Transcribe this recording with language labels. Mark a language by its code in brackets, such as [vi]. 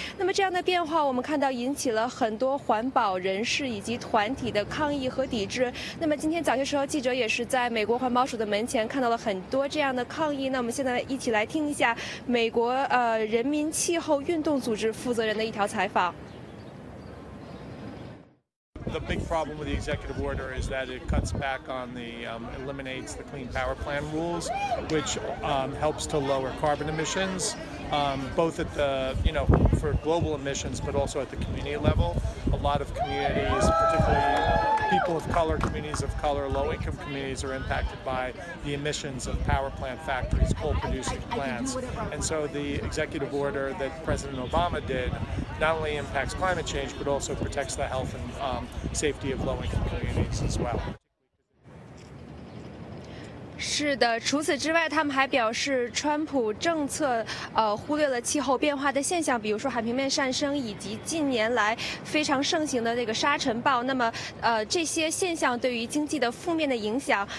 [zh] 那么这样的变化，我们看到引起了很多环保人士以及团体的抗议和抵制。那么今天早些时候，记者也是在美国环保署的门前看到了很多这样的抗议。那我们现在一起来听一下美国人民气候运动组织负责人的一条采访。 [en] The big problem with the executive order is that it cuts back on the, eliminates the Clean Power Plan rules, which helps to lower carbon emissions, both at the, you know, for global emissions, but also at the community level. A lot of communities, particularly people of color, communities of color, low-income communities, are impacted by the emissions of power plant factories, coal-producing plants. And so the executive order that President Obama did not only impacts climate change, but also protects the health and safety of low-income communities as well. [zh] 是的，除此之外，他们还表示，川普政策忽略了气候变化的现象，比如说海平面上升以及近年来非常盛行的这个沙尘暴。那么这些现象对于经济的负面的影响。